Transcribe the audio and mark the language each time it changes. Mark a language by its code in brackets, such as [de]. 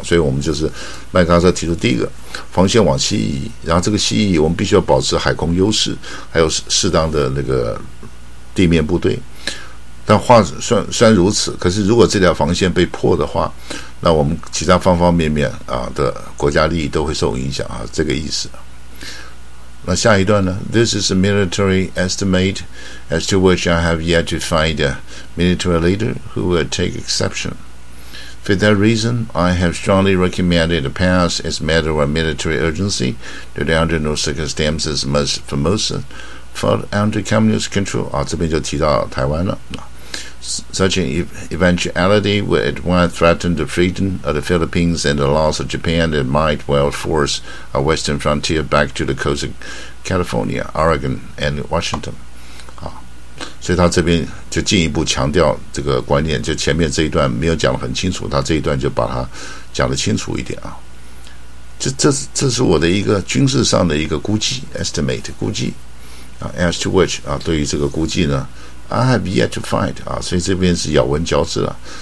[zh] 所以我们就是麦克阿瑟提出第一个防线往西移，然后这个西移我们必须要保持海空优势，还有适当的那个地面部队。但话虽然如此，可是如果这条防线被破的话，那我们其他方方面面啊的国家利益都会受影响啊，这个意思。那下一段呢， [en] This is a military estimate as to which I have yet to find a military leader who would take exception. For that reason, I have strongly recommended to pass as a matter of military urgency that under no circumstances must Formosa fall under communist control. [zh] 啊，这边就提到台湾了。 [en] Such an eventuality would at once threaten the freedom of the Philippines and the loss of Japan and might well force a western frontier back to the coast of California, Oregon, and Washington. [zh] 好，所以他这边就进一步强调这个观念，就前面这一段没有讲得很清楚，他这一段就把它讲得清楚一点啊。这是我的一个军事上的一个估计 , [en] estimate, [zh] 估计啊 , [en] as to which, [zh] 啊，对于这个估计呢， [en] I have yet to find [zh] 啊，所以这边是咬文嚼字了。